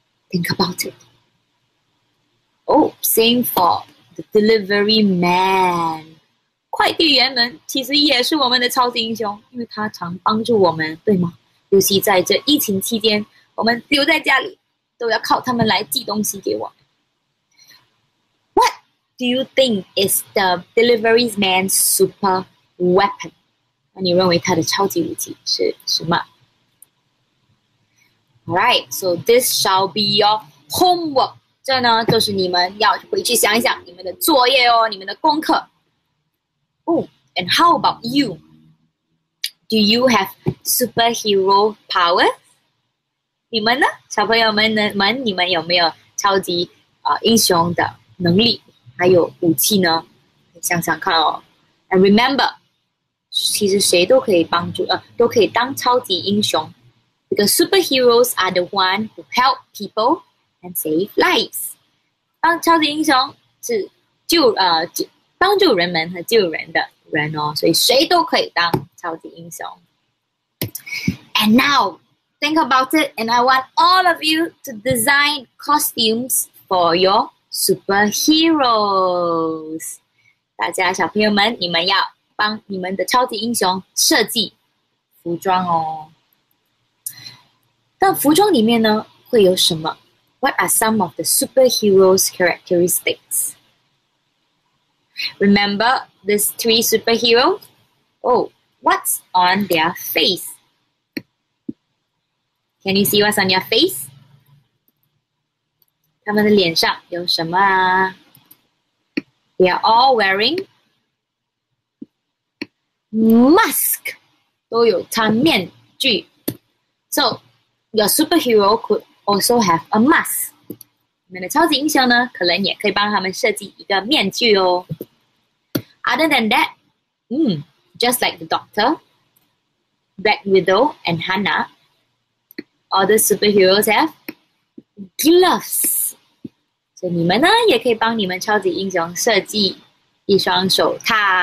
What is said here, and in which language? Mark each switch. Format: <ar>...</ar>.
<en>Think about it. Oh, same for the delivery man.</en> <zh>快递员们其实也是我们的超级英雄，因为他常帮助我们，对吗？尤其在这疫情期间，我们留在家里，都要靠他们来寄东西给我。</zh> <en>What do you think is the delivery man's super weapon?</en> <zh>那你认为他的超级武器是什么？</zh> <en>Alright, so this shall be your homework.</en> <zh>这呢就是你们要回去想一想你们的作业哦，你们的功课。</zh> <en>Oh, and how about you? Do you have superhero powers?</en> <zh>你们呢？小朋友们你们有没有超级英雄的能力还有武器呢？你想想看哦。</zh> <en>And remember,</en> <zh>其实谁都可以帮助都可以当超级英雄。</zh> <en>Because superheroes are the ones who help people and save lives.</en> <zh>当超级英雄是帮助人们和救人的人哦，所以谁都可以当超级英雄。</zh> <en>And now, think about it, and I want all of you to design costumes for your superheroes.</en> <zh>大家小朋友们，你们要帮你们的超级英雄设计服装哦。那服装里面呢会有什么？</zh> <en>What are some of the superheroes' characteristics? Remember these three superheroes? Oh, what's on their face? Can you see what's on your face?</en> <zh>他们的脸上有什么啊？</zh> <en>They are all wearing mask.</en> <zh>都有穿面具。</zh> <en>So,Your superhero could also have a mask.</en> <zh>你们的超级英雄呢，可能也可以帮他们设计一个面具哦。</zh> <en>Other than that, just like the Doctor, Black Widow, and Hannah, all the superheroes have gloves.</en> <zh>所以你们呢，也可以帮你们超级英雄设计一双手套。</zh>